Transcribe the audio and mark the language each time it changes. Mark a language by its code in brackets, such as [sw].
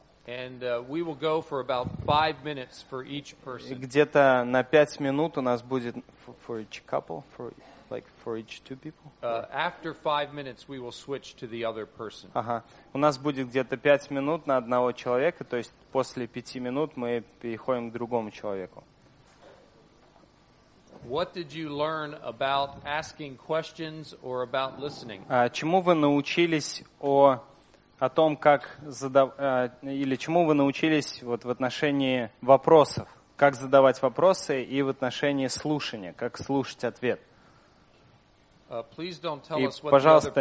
[en] And we will go for about 5 minutes for each person. [ru] Где-то на 5 минут у нас будет [en] for each couple, for each two people. After 5 minutes we will switch to the other person. Ага. [ru] У нас будет где-то 5 минут на одного человека, то есть после 5 минут мы переходим к другому человеку. [en] What did you learn about asking questions or about listening? [ru] Чему вы научились о том, как или чему вы научились вот в отношении вопросов, как задавать вопросы и в отношении слушания, как слушать ответ? [en] Please don't tell [ru] и, [en] us what [ru] пожалуйста,